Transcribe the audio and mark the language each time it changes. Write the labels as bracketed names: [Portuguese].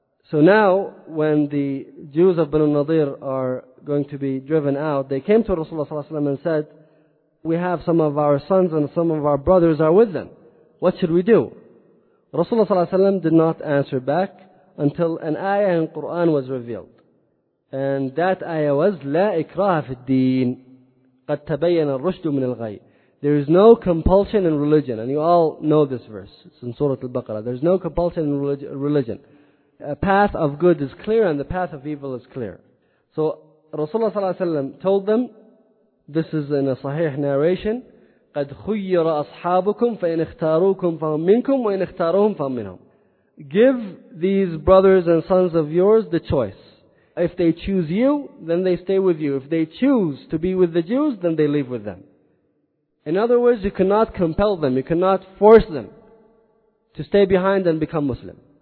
[English] So now, when the Jews of Banu Nadir are going to be driven out, they came to Rasulullah ﷺ and said, "We have some of our sons and some of our brothers are with them. What should we do?" Rasulullah ﷺ did not answer back until an ayah in Quran was revealed. And that ayah was, [Arabic] لا إكراه في الدين قد تبين الرشد من الغي. [English] There is no compulsion in religion. And you all know this verse. It's in Surah Al-Baqarah. There is no compulsion in religion. A path of good is clear and the path of evil is clear. [Arabic] So Rasulullah صلى الله عليه وسلم [English] told them, this is in a sahih narration, [Arabic] قد خير أصحابكم فإن اختاروكم فهم منكم وإن اختاروهم فهم منهم. [English] Give these brothers and sons of yours the choice. If they choose you, then they stay with you. If they choose to be with the Jews, then they live with them. In other words, you cannot compel them, you cannot force them to stay behind and become Muslim.